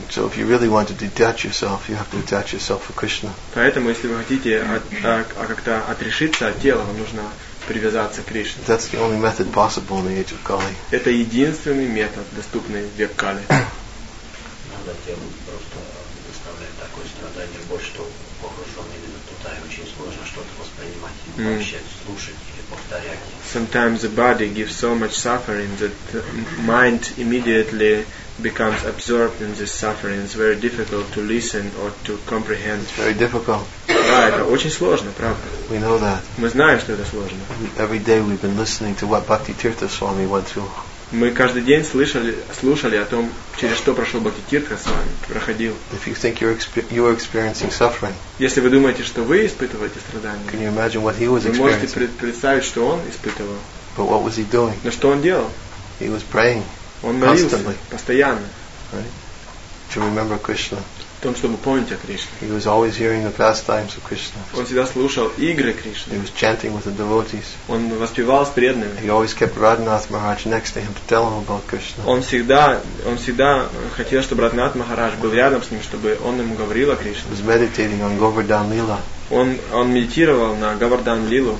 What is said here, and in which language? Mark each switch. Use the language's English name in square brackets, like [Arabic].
[English] So if you really want to detach yourself, you have to detach yourself from Krishna. [Russian] Поэтому, если вы хотите как-то отрешиться от тела, вам нужно привязаться к Кришне. [English] That's the only method possible in the age of Kali. [Russian] Это единственный метод, доступный в век Кали. Надо тело просто доставлять такое страдание, больше того, погружен именно туда, и очень сложно что-то воспринимать, вообще слушать или повторять. [English] Sometimes the body gives so much suffering that the mind immediately becomes absorbed in this suffering. It's very difficult to listen or to comprehend. It's very difficult. [Russian] Да, это очень сложно, правда. [English] We know that. [Russian] Мы знаем, что это сложно. [English] Every day we've been listening to what Bhakti Tirtha Swami went through. [Russian] Мы каждый день слушали о том, через что прошел Бхакти Тиртха с вами, проходил. [English] If you think you're experiencing suffering, [Russian] если вы думаете, что вы испытываете страдания, [English] can you imagine what he was experiencing? [Russian] Вы можете представить, что он испытывал. [English] But what was he doing? [Russian] Но что он делал? [English] He was praying. [Russian] Он молился постоянно. [English] Right? To remember Krishna. [Russian] О том, чтобы помнить о Кришне. [English] He was always hearing the pastimes of Krishna. [Russian] Он всегда слушал игры Кришны. [English] He was chanting with the devotees. [Russian] Он воспевал с преданными. [English] He always kept Radhanath Maharaj next to him to tell him about Krishna. [Russian] Он всегда хотел, чтобы Радханат Махарадж был рядом с ним, чтобы он ему говорил о Кришне. [English] He was meditating on Govardhan Lila. [Russian] Он медитировал на Говардан Лилу.